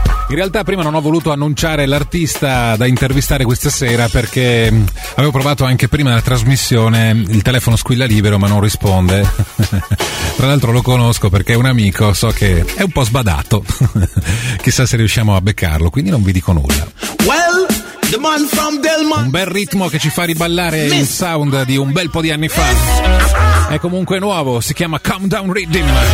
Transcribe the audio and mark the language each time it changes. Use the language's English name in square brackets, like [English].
[Italian] In realtà prima non ho voluto annunciare l'artista da intervistare questa sera perché avevo provato anche prima la trasmissione, il telefono squilla libero ma non risponde. Tra l'altro lo conosco perché è un amico, so che è un po' sbadato, chissà se riusciamo a beccarlo, quindi non vi dico nulla. [English] Well, the man from Delmont. [Italian] Un bel ritmo che ci fa riballare il sound di un bel po' di anni fa. È comunque nuovo, si chiama Calm Down Rhythm.